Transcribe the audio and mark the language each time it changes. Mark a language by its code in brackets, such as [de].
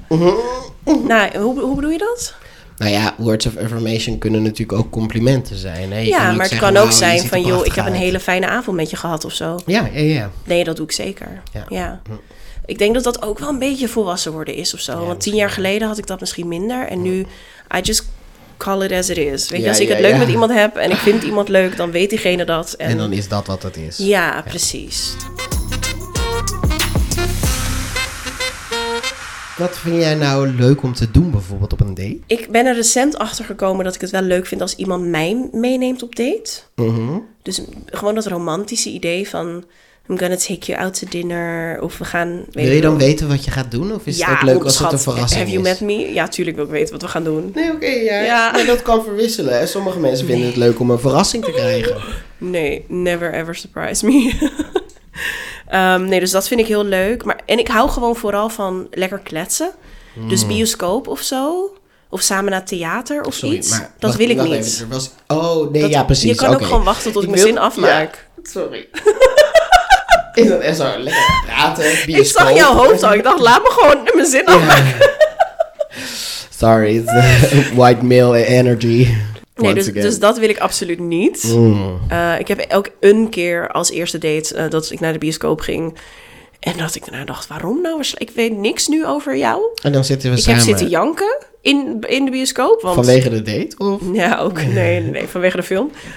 [nl] Uh-huh. Nou, hoe bedoel je dat? Nou ja, words of affirmation kunnen natuurlijk ook complimenten zijn. Hè? Ja, maar het kan ook zijn van, joh, ik heb een hele fijne avond met je gehad of zo. Ja, ja, ja. Nee, dat doe ik zeker. Ja. Ja. Ik denk dat dat ook wel een beetje volwassen worden is of zo. Ja, want 10 jaar geleden had ik dat misschien minder. En nu, [en] I just call it as it is. [nl] Weet je, als ik het leuk met iemand heb en ik vind iemand leuk, dan weet diegene dat. En dan is dat wat het is. Ja, precies. Wat vind jij nou leuk om te doen bijvoorbeeld op een date? Ik ben er recent achter gekomen dat ik het wel leuk vind als iemand mij meeneemt op date. Mm-hmm. Dus gewoon dat romantische idee van [en] I'm gonna take you out to dinner. [nl] Of we gaan... Wil je dan weten wat je gaat doen? Of is het ook leuk als het een verrassing is? [en] Have you met me? [nl] Ja, tuurlijk wil ik weten wat we gaan doen. Nee, oké. Okay, ja. Nee, dat kan verwisselen. Hè. Sommige mensen vinden het leuk om een verrassing te krijgen. [en] Nee, never ever surprise me. [nl] nee, dus dat vind ik heel leuk. En ik hou gewoon vooral van lekker kletsen. Mm. Dus bioscoop of zo. Of samen naar theater of iets. Maar, dat wil ik niet. Even, er was... Oh, nee, dat, ja, precies. Je kan ook gewoon wachten tot ik mijn zin afmaak. Ja, sorry. Is dat echt zo? Lekker praten, bioscoop. Ik zag jouw hoofd al. Ik dacht, laat me gewoon mijn zin afmaken. [en] Sorry, it's white male energy. [nl] Nee, dus dat wil ik absoluut niet. Mm. Ik heb ook een keer als eerste date dat ik naar de bioscoop ging. En dat ik daarna dacht, waarom nou? Ik weet niks nu over jou. En dan zitten we ik samen. Ik heb zitten janken in de bioscoop. Want, vanwege de date? Of? Ja, ook. Nee, vanwege de film.